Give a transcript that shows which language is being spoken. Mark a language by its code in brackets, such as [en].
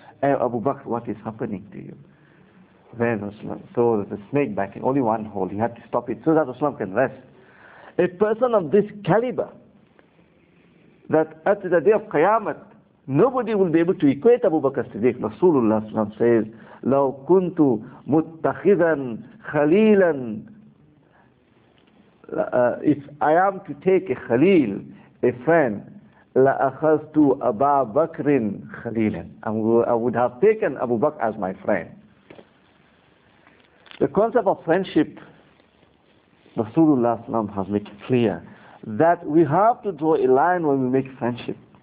[en] Hey, Abu Bakr, what is happening to you? Then Rasulullah saw that the snake bit him. Only one hole. He had to stop it so that Rasulullah can rest. A person of this caliber, that at the day of Qiyamah, nobody will be able to equate Abu Bakr Siddiq. Rasulullah says, [ar] لَوْ كُنْتُ مُتَّخِذًا خَلِيلًا. [en] If I am to take a Khalil, a friend, [ar] لَأَخَذْتُ أَبَا بَكْرٍ خَلِيلًا. [en] I would have taken Abu Bakr as my friend. The concept of friendship, Rasulullah has made clear that we have to draw a line when we make friendship.